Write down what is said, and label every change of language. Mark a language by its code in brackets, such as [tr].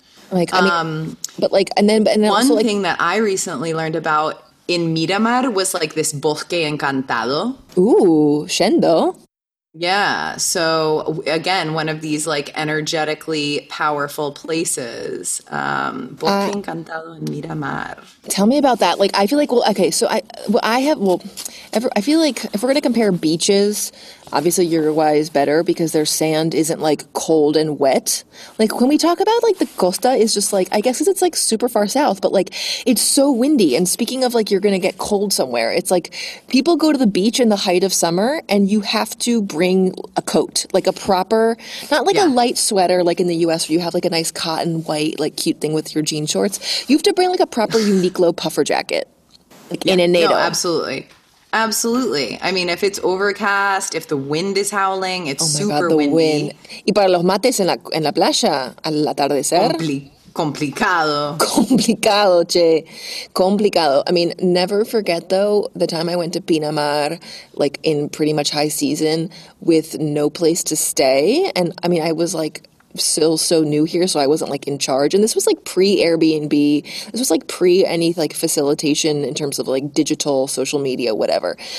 [en] Like, I mean, but, like, and then one, like, thing that I recently learned about in Miramar was, like, this [es] bosque encantado. [en] Ooh, Shendo. Yeah. So again, one of these like energetically powerful places. [es] Volcán Encantado en Miramar. [en] Tell me about that. Like, I feel like, well, okay, so I have, well, ever, I feel like if we're going to compare beaches, obviously Uruguay is better because their sand isn't like cold and wet. Like, when we talk about like the Costa, is just like, I guess because it's like super far south, but like it's so windy. And speaking of like you're going to get cold somewhere, it's like people go to the beach in the height of summer and you have to bring a coat, like a proper, not like a Yeah. light sweater like in the US where you have like a nice cotton white, like cute thing with your jean shorts. You have to bring like a proper Uniqlo puffer jacket, like in a No, NATO. absolutely. Absolutely. I mean, if it's overcast, if the wind is howling, it's Oh my God, super the wind. windy. [es] Y para los mates en la playa al atardecer. Complicado. Complicado, che. Complicado. [en] I mean, never forget though, the time I went to Pinamar, like in pretty much high season with no place to stay. And I mean, I was like still so new here, so I wasn't like in charge. And this was like pre-Airbnb. This was like pre any like facilitation in terms of like digital, social media, whatever.